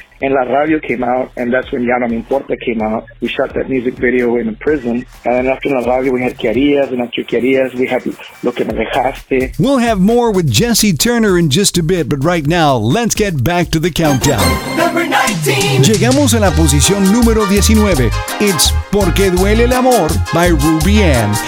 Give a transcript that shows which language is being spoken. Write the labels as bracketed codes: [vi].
[en] And La Radio came out, and that's when Ya No Me Importa came out. We shot that music video in a prison. And then after La Radio, we had Querías, and after Querías, we had Lo Que Me Dejaste. We'll have more with Jesse Turner in just a bit, but right now, let's get back to the countdown. Number 19. [es] Llegamos a la posición número 19. [en] It's Porque Duele el Amor by Ruby Ann.